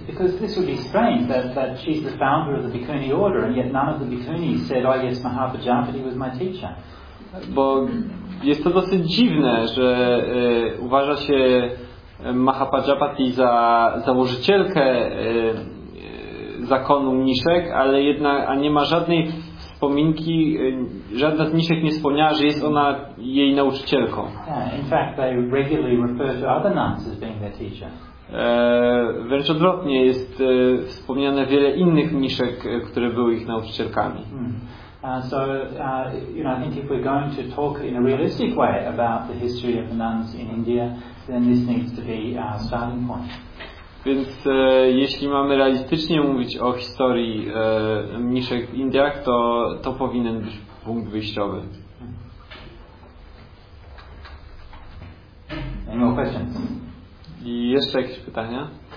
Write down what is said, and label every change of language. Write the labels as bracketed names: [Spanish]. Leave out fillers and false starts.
[English] Because this would be strange that she's the founder of the Bhikkhuni order and yet none of the Bhikkhunis said, oh yes, Mahapajapati was my teacher. [Polish] Bo jest to dosyć dziwne, że uważa się Mahapajapati za założycielkę zakonu mniszek, ale jednak, a nie ma żadnej wspominki, żadna z niszek nie wspomniała, że jest ona jej nauczycielką. [English] In fact, they regularly refer to other nuns as being their teacher. [Polish] Wręcz odwrotnie, jest wspomniane wiele innych niszek, które były ich nauczycielkami. [English] I think if we're going to talk in a realistic way about the history of the nuns in India, then this needs to be our starting point. [Polish] Więc jeśli mamy realistycznie mówić o historii mniszek w Indiach, to powinien być punkt wyjściowy. [English] Any more questions? [Polish] I jeszcze jakieś pytania?